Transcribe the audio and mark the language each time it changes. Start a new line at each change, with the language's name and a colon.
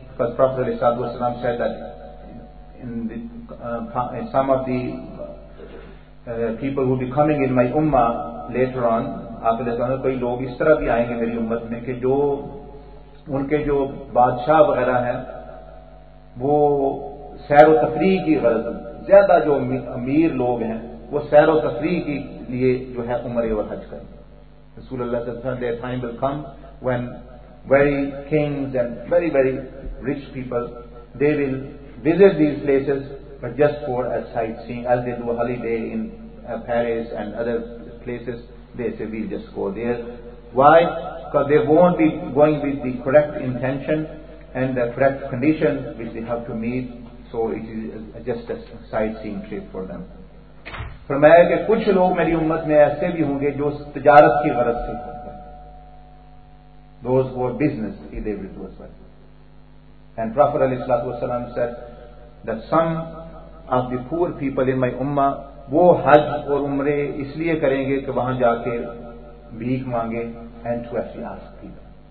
Urdu: Professor علیہ السلام
English: said that in some of the people who will be coming in my ummah later on,
Urdu: آپ کے لیے کئی لوگ اس طرح بھی آئیں گے میری امت میں کہ جو ان کے جو بادشاہ وغیرہ ہیں وہ سیر و تفریح کی غرض, زیادہ جو امیر لوگ ہیں وہ سیر و تفریح کے لیے جو ہے عمرے اور حج کریں.
English: رسول اللہ صلی اللہ علیہ وسلم, their time will come when very kings and very very rich people they will visit these places but just for a sightseeing as they do a holiday in Paris and other places, they say we'll just go there. Why? Because they won't be going with the correct intention and the correct condition which they have to meet, so it is just a sightseeing trip for them.
Urdu: فرمایا کہ کچھ لوگ میری امت میں ایسے بھی ہوں گے جو تجارت کی غرض سے,
English: those who are business they will do as well. And Prophet علیہ الصلوۃ والسلام said that some of the poor people in my ummah
Urdu: وہ حج اور عمرے اس لیے کریں گے کہ وہاں جا کے بھیک مانگے,
English: and to actually ask people.